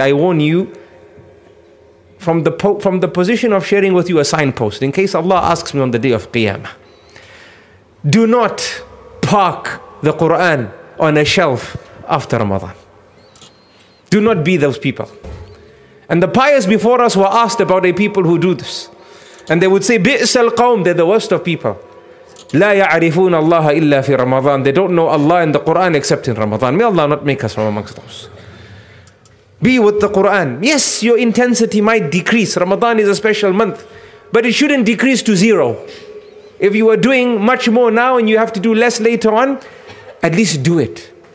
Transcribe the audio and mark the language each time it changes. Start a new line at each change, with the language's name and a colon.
English: I warn you, from the position of sharing with you a signpost, in case Allah asks me on the day of Qiyamah, do not park the Quran on a shelf after Ramadan. Do not be those people. And the pious before us were asked about a people who do this. And they would say,
Arabic: Bi'sal qawm,
English: they're the worst of people.
Arabic: لا يعرفون الله إلا في رمضان.
English: They don't know Allah in the Quran except in Ramadan. May Allah not make us from amongst those. Be with the Quran. Yes, your intensity might decrease. Ramadan is a special month, but it shouldn't decrease to zero. If you are doing much more now and you have to do less later on, at least do it.